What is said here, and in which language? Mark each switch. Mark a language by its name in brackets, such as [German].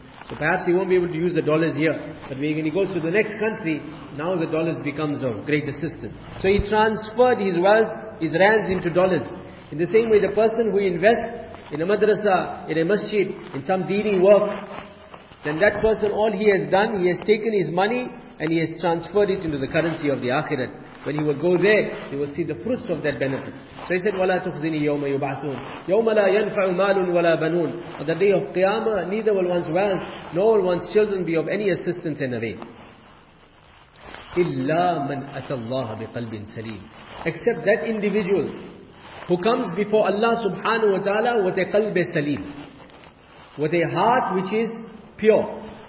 [English] So perhaps he won't be able to use the dollars here. But when he goes to the next country, now the dollars becomes of great assistance. So he transferred his wealth, his rands into dollars. In the same way, the person who invests in a madrasa, in a masjid, in some deedi work, then that person, all he has done, he has taken his money and he has transferred it into the currency of the akhirat. When he will go there, he will see the fruits of that benefit. So he said, [Arabic] وَلَا تُخْزِنِي يَوْمَ يُبْعَثُونَ يَوْمَ لَا يَنْفَعُ مَالٌ وَلَا بَنُونَ. [English] On the day of Qiyamah, neither will one's wealth nor will one's children be of any assistance in a way. [Arabic] إِلَّا مَنْ أَتَى اللَّهَ بِقَلْبٍ سَلِيمٍ. [English] Except that individual who comes before Allah subhanahu wa ta'ala with a qalb salim, with a heart which is pure.